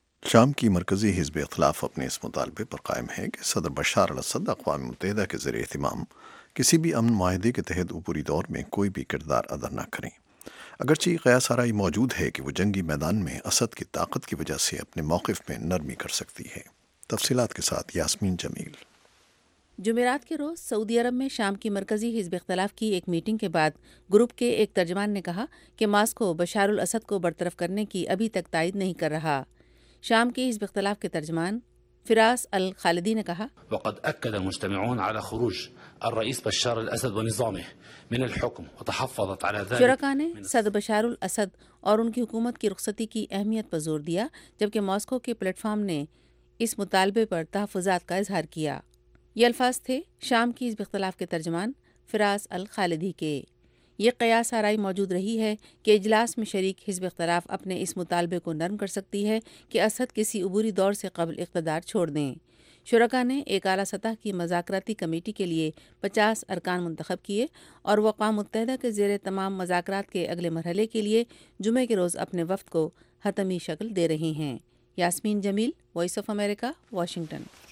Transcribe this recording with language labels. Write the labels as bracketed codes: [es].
[ur] شام کی مرکزی حزب اخلاف اپنے اس مطالبے پر قائم ہے کہ صدر بشار الاسد اقوام متحدہ کے زیر اہتمام کسی بھی امن معاہدے کے تحت عبوری دور میں کوئی بھی کردار ادا نہ کریں۔ اگرچہ قیاس آرائی موجود ہے کہ وہ جنگی میدان میں اسد کی طاقت کی وجہ سے اپنے موقف میں نرمی کر سکتی ہے۔ تفصیلات کے ساتھ یاسمین جمیل۔ جمعرات کے روز سعودی عرب میں شام کی مرکزی حزب اختلاف کی ایک میٹنگ کے بعد گروپ کے ایک ترجمان نے کہا کہ ماسکو بشار الاسد کو برطرف کرنے کی ابھی تک تائید نہیں کر رہا۔ شام کے حزب اختلاف کے ترجمان فراس الخالدی نے کہا، [ar] وقد اكد المجتمعون على خروج الرئيس بشار الاسد ونظامه من الحكم وتحفظت على ذلك۔ [ur] شرکا نے صدر بشار الاسد اور ان کی حکومت کی رخصتی کی اہمیت پر زور دیا، جبکہ ماسکو کے پلیٹ فارم نے اس مطالبے پر تحفظات کا اظہار کیا۔ یہ الفاظ تھے شام کی حزب اختلاف کے ترجمان فراس الخالدی کے۔ یہ قیاس آرائی موجود رہی ہے کہ اجلاس میں شریک حزب اختلاف اپنے اس مطالبے کو نرم کر سکتی ہے کہ اسد کسی عبوری دور سے قبل اقتدار چھوڑ دیں۔ شرکا نے ایک اعلیٰ سطح کی مذاکراتی کمیٹی کے لیے 50 ارکان منتخب کیے اور وہ اقوام متحدہ کے زیر تمام مذاکرات کے اگلے مرحلے کے لیے جمعے کے روز اپنے وفد کو حتمی شکل دے رہی ہیں۔ یاسمین جمیل، وائس آف امریکہ، واشنگٹن۔